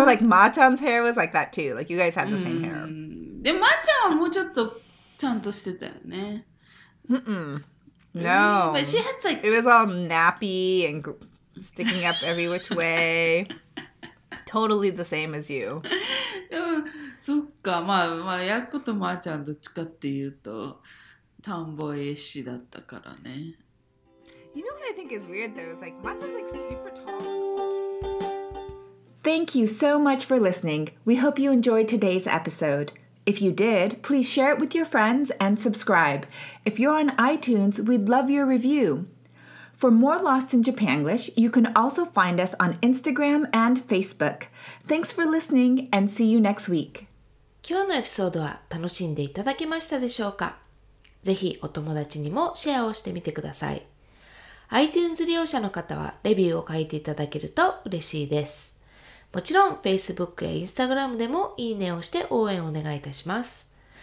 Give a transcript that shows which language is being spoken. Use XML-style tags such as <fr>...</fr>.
<en>Or, like, Ma-chan's hair was like that, too. Like, you guys had the same hair.</en> <ja>で、Ma-chan はもうちょっとちゃんとしてたよね。</ja> <en>Mm-mm. No. But she had like... It was all nappy and sticking up every which way. Totally the same as you.</en> <ja>そっか、まあ、まあ、ヤッコとマーちゃんどっちかっていうと、タンボエッシだったからね。</ja> <en>You know what I think is weird though? It's like, Mata's like super tall. Thank you so much for listening. We hope you enjoyed today's episode. If you did, please share it with your friends and subscribe. If you're on iTunes, we'd love your review. For more Lost in Japanglish, you can also find us on Instagram and Facebook. Thanks for listening and see you next week.</en> <ja>今日のエピソードは楽しんでいただけましたでしょうか？ぜひお友達にもシェアをしてみてください。 iTunes 利用者の方はレビューを書いていただけると嬉しいです。もちろん Facebook や Instagram でもいいねをして応援をお願いいたします。</ja>